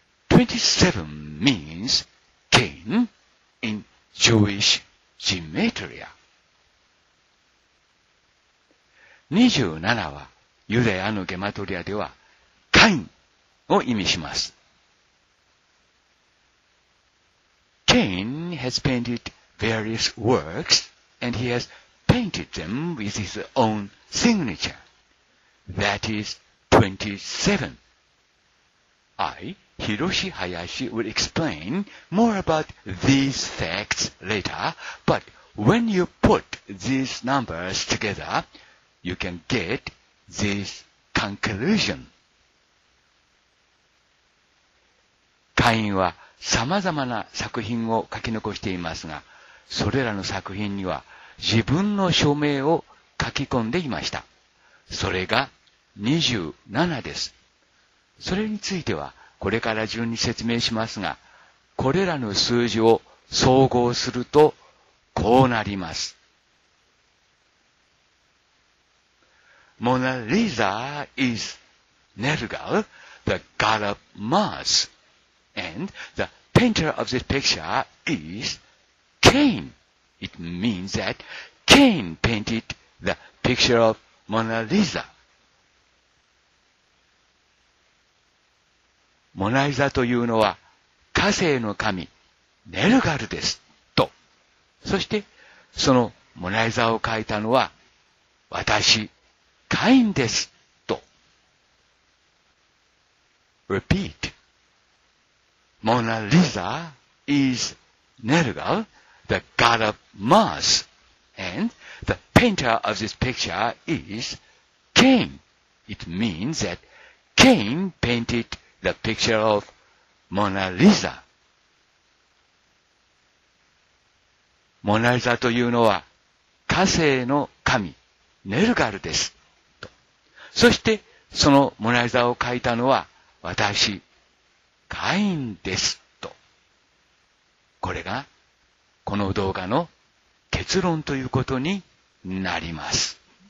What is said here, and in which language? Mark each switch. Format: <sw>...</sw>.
<en>27 means king in Jewish gematria。</en> <ja>27はユダヤのゲマトリアではカインを意味します。</ja> <en>Cain has painted various works and he has painted them with his own signature. That is 27. I, Hiroshi Hayashi, will explain more about these facts later, but when you put these numbers together,You can get this conclusion.</en> <ja>カインはさまざまな作品を書き残していますが、それらの作品には自分の署名を書き込んでいました。それが27です。それについてはこれから順に説明しますが、これらの数字を総合するとこうなります。</ja> <en>Mona Lisa is Nergal, the god of Mars, and the painter of this picture is Cain. It means that Cain painted the picture of Mona Lisa.</en> <ja>Mona Lisa というのは火星の神ネルガルですと。そしてそのモナリザを描いたのは私。カインですと。</ja> <en>Repeat. Mona Lisa is Nergal, the god of Mars, and the painter of this picture is Cain. It means that Cain painted the picture of Mona Lisa.</en> <ja>モナリザというのは火星の神ネルガルです。そしてそのモナリザを描いたのは私カインですと。これがこの動画の結論ということになります。</ja>